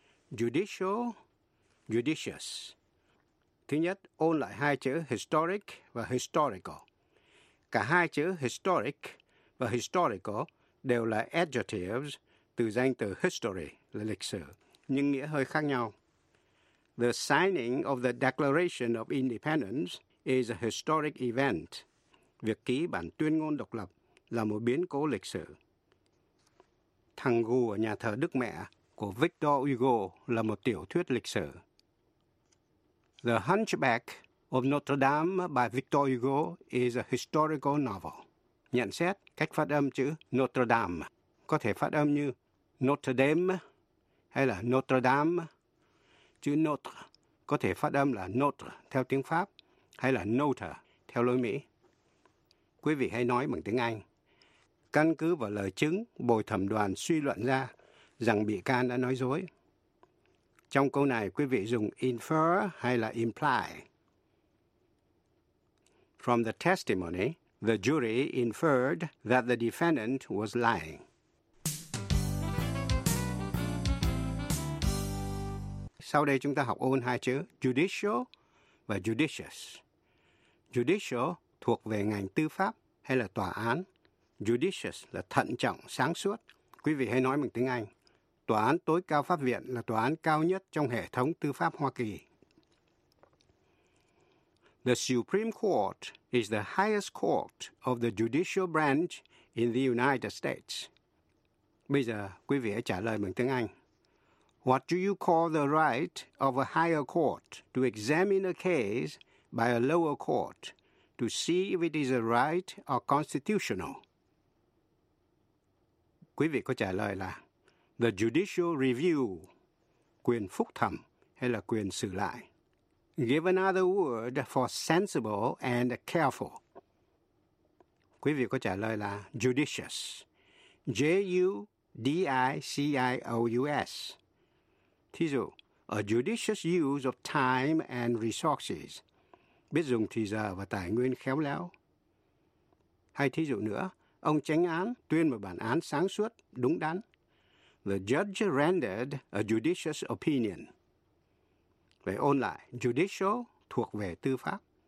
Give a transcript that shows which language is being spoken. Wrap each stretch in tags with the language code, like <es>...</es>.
<vi>Judicial, judicious. Thứ nhất, ôn lại hai chữ historic và historical. Cả hai chữ historic và historical đều là adjectives từ danh từ history, là lịch sử, nhưng nghĩa hơi khác nhau.</vi> <en>The signing of the Declaration of Independence is a historic event.</en> <vi>Việc ký bản tuyên ngôn độc lập là một biến cố lịch sử. Thằng gù ở nhà thờ Đức Mẹ của Victor Hugo là một tiểu thuyết lịch sử.</vi> <en>The Hunchback of Notre Dame by Victor Hugo is a historical novel.</en> <vi>Nhận xét cách phát âm chữ Notre Dame có thể phát âm như Notre Dame hay là Notre Dame. Chữ Notre có thể phát âm là Notre theo tiếng Pháp hay là Notre theo lối Mỹ. Quý vị hãy nói bằng tiếng Anh. Căn cứ vào lời chứng, bồi thẩm đoàn suy luận ra rằng bị can đã nói dối. Trong câu này, quý vị dùng infer hay là imply.</vi> <en>From the testimony, the jury inferred that the defendant was lying.</en> <vi>Sau đây chúng ta học ôn hai chữ judicial và judicious. Judicial thuộc về ngành tư pháp hay là tòa án. Judicious là thận trọng, sáng suốt. Quý vị hãy nói bằng tiếng Anh. Tòa án tối cao pháp viện là tòa án cao nhất trong hệ thống tư pháp Hoa Kỳ. The Supreme Court is the highest court of the judicial branch in the United States. Bây giờ, quý vị hãy trả lời bằng tiếng Anh.</vi> <en>What do you call the right of a higher court to examine a case by a lower court to see if it is a right or constitutional?</en> <vi>Quý vị có trả lời là the judicial review, quyền phúc thẩm hay là quyền xử lại.</vi> <en>Give another word for sensible and careful.</en> <vi>Quý vị có trả lời là judicious.</vi> <en>J-U-D-I-C-I-O-U-S.</en> <vi>Thí dụ,</vi> <en>a judicious use of time and resources.</en> <vi>Biết dùng thời giờ và tài nguyên khéo léo. Hay thí dụ nữa, ông chánh án tuyên một bản án sáng suốt, đúng đắn.</vi> <en>The judge rendered a judicious opinion.</en> <vi>Vậy ôn lại, judicial thuộc về tư pháp.</vi>